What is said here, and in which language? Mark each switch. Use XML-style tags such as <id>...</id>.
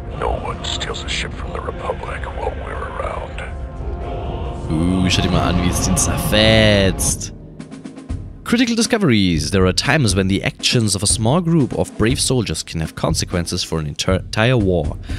<en>No one steals a ship from the Republic while we're around.</en> <de>Ooh, schau dir mal an, wie es den zerfetzt.</de> <en>Critical discoveries. There are times when the actions of a small group of brave soldiers can have consequences for an entire war.</en>